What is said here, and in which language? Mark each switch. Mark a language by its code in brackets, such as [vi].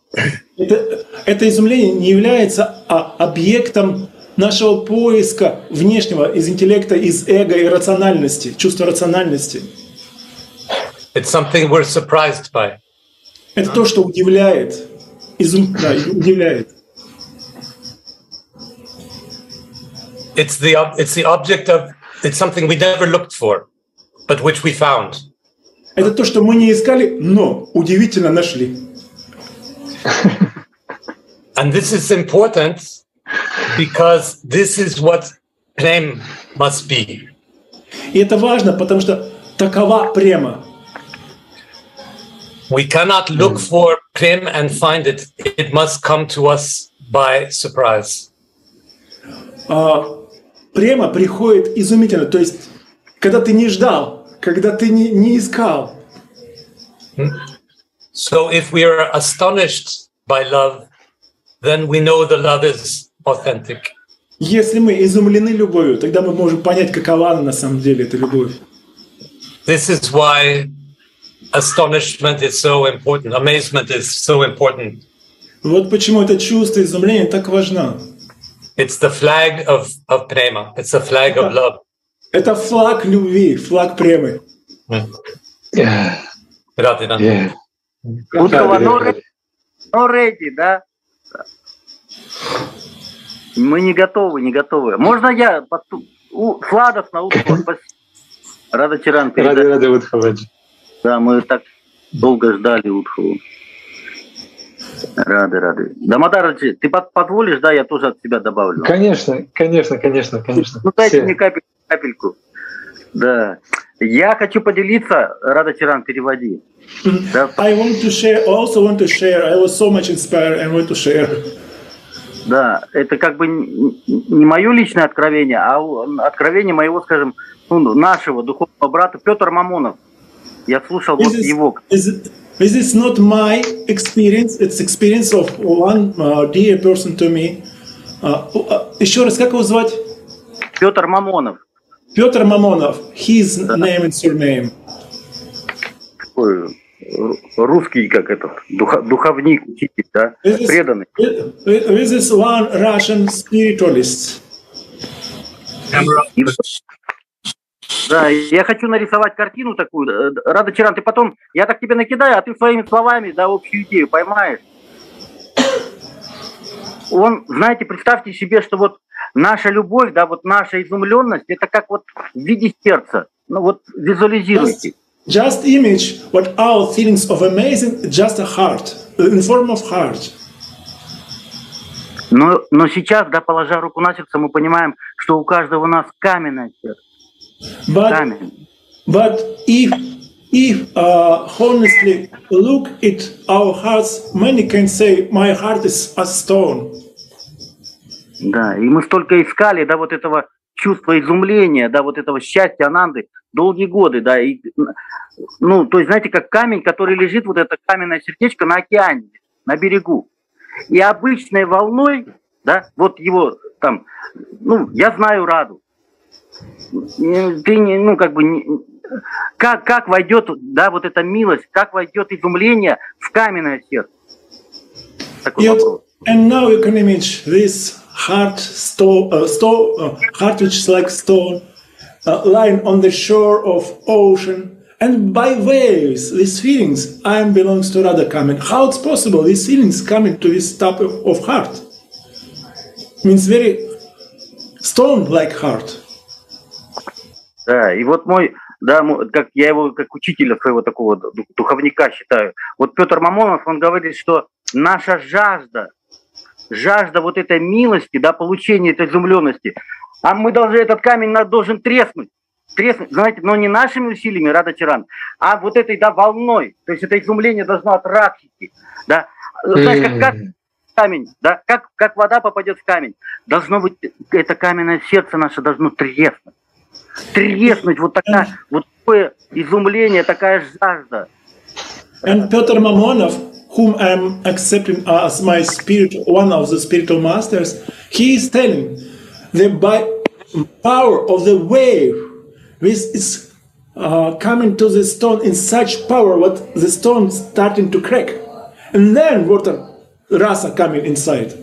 [ru] Это изумление не является объектом нашего поиска внешнего из интеллекта, из эго и рациональности, чувства рациональности. [en] It's something we're surprised by. [ru] Это то, что удивляет. Удивляет. [en] It's something we never looked for, but which we found. [ru] Это то, что мы не искали, но удивительно нашли. [en] And this is important because this is what prem must be. [ru] И это важно, потому что такова према. [en] We cannot look for prem and find it. It must come to us by surprise. [ru] Према приходит изумительно. То есть, когда ты не ждал, когда ты не искал. [en] So if we are astonished by love, then we know the love is authentic. [ru] Если мы изумлены любовью, тогда мы можем понять, какова она на самом деле, эта любовь. [en] This is why astonishment is so important. Amazement is so important. [ru] Вот почему это чувство изумления так важно. [en] It's the flag of prema. It's the flag of love. [ru] Это флаг любви, флаг премы. Рады, да? Удова, но [en] ready, [ru] да? Мы не готовы, не готовы. Можно я сладостно успокоюсь? Рада Чиран. Рады, Удхова. Да, мы так долго ждали Удхову. Рады, рады. Дамодараджи, ты позволишь, да, я тоже от себя добавлю? Конечно, конечно, конечно, конечно. Ну, дайте мне капельку. Да. Я хочу поделиться, Рада Чиран, переводи. [en] Да. I want to share, also want to share. I was so much inspired and want to share. [ru] Да, это как бы не мое личное откровение, а откровение моего, скажем, нашего духовного брата Петр Мамонов. Я слушал вот его. [en] This is not my experience, it's experience of one dear person to me. [ru] Еще раз, как его звать? Петр Мамонов. [en] Петр Мамонов, his name and surname. [ru] Ой, русский, как это, духовник, учитель, да? [en] This is, [ru] преданный. [en] This is one Russian spiritualist. [ru] Да, я хочу нарисовать картину такую. Рада Чиран, ты потом, я так тебе накидаю, а ты своими словами, да, общую идею поймаешь. Он, знаете, представьте себе, что вот наша любовь, да, вот наша изумленность, это как вот в виде сердца. Ну вот визуализируйте. [en] Just image what our feelings of amazing, just a heart, in form of heart. [ru] Но сейчас, да, положа руку на сердце, мы понимаем, что у каждого у нас каменное сердце. [en] But if honestly look at our hearts, many can say my heart is a stone. [ru] Да, и мы столько искали, да, вот этого чувства изумления, да, вот этого счастья, ананды, долгие годы, да, и, ну, то есть, знаете, как камень, который лежит, вот это каменное сердечко на океане, на берегу, и обычной волной, да, вот его там, ну, я знаю Раду. Ты не, ну, как бы, не, как войдет, да, вот эта милость, как войдет изумление в каменное сердце? Такой [en] yet, [ru] вопрос. [en] And now you can image this heart heart which is like stone, lying on the shore of ocean, and by waves, these feelings, I am belongs to Radha coming. How it's possible these feelings coming to this type of heart? Means very stone-like heart. [ru] Да, и вот мой, да, как я его как учителя своего такого духовника считаю. Вот Петр Мамонов, он говорит, что наша жажда, жажда вот этой милости, да, получения этой изумленности, а мы должны, этот камень нас должен треснуть, знаете, но не нашими усилиями, Рада Чиран, а вот этой, да, волной, то есть это изумление должно от радхи, да. Знаешь, как камень, да, как вода попадет в камень, должно быть, это каменное сердце наше должно треснуть. Треснуть, вот такая, вот такое изумление, такая жажда. [en] And Peter Mamonov, whom I am accepting as my spiritual, one of the spiritual masters, he is telling that by power of the wave, this is coming to the stone in such power, what the stone starting to crack, and then water, rasa coming inside.